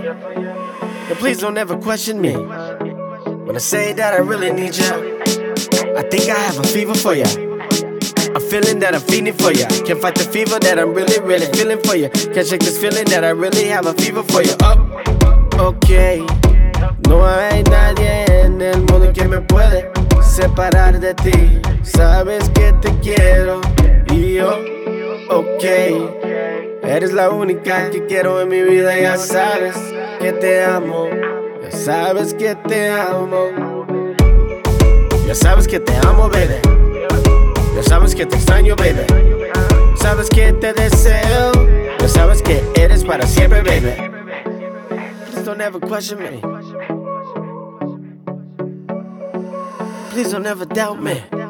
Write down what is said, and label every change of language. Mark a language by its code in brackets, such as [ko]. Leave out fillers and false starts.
[en] And please don't ever question me when I say that I really need ya. I think I have a fever for ya. A feeling that I'm feeling for ya. Can't fight the fever that I'm really, really feeling for ya. Can't shake this feeling that I really have a fever for ya. Oh, okay. [es] No hay nadie en el mundo que me puede separar de ti. Sabes que te quiero. Y yo, okay. Eres la única que quiero en mi vida. Ya sabes que te amo. Ya sabes que te amo. Ya sabes que te amo, baby. Ya sabes que te extraño, baby. Sabes que te deseo. Ya sabes que eres para siempre, baby. [en] Please don't ever question me. Please don't ever doubt me.